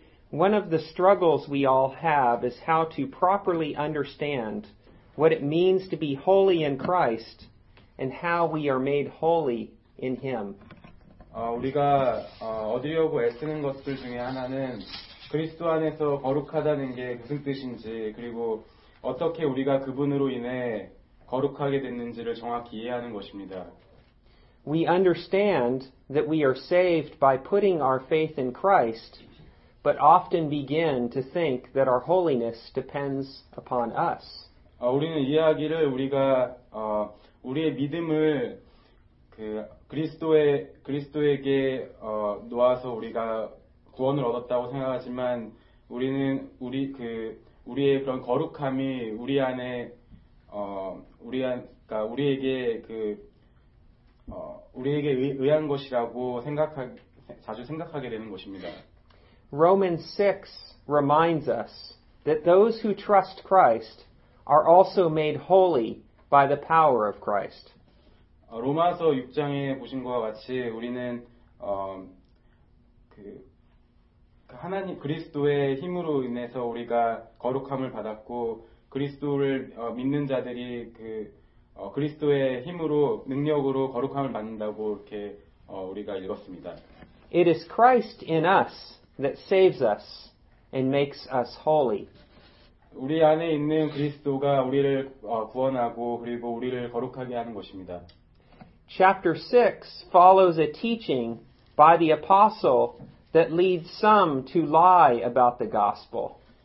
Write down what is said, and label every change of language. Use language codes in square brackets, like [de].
[en] One of the struggles we all have is how to properly understand what it means to be holy in Christ and how we are made holy in Him. [ko] 우리가 얻으려고 애쓰는 것들 중에 하나는 그리스도 안에서 거룩하다는 게 무슨 뜻인지 그리고 어떻게 우리가 그분으로 인해 거룩하게 됐는지를 정확히 이해하는 것입니다. [en] We understand that we are saved by putting our faith in Christ, but often begin to think that our holiness depends upon us. [ko] 우리는 이해하기를 우리가 우리의 믿음을 그리스도에게 놓아서 우리가 구원을 얻었다고 생각하지만 우리는 우리의 그런 거룩함이 우리 안에 그러니까 우리에게 우리에게 의한 것이라고 자주 생각하게 되는 것입니다. [en] Romans 6 reminds us that those who trust Christ are also made holy by the power of Christ. [ko] 로마서 6장에 보신 것과 같이 우리는 하나님 그리스도의 힘으로 인해서 우리가 거룩함을 받았고 그리스도를 믿는 자들이 그리스도의 힘으로 능력으로 거룩함을 받는다고 이렇게 우리가 읽었습니다. [en] It is Christ in us that saves us and makes us holy. [ko] 우리 안에 있는 그리스도가 우리를 구원하고 그리고 우리를 거룩하게 하는 것입니다. [en] Chapter 6 follows a teaching by the apostle that leads some to lie about the gospel.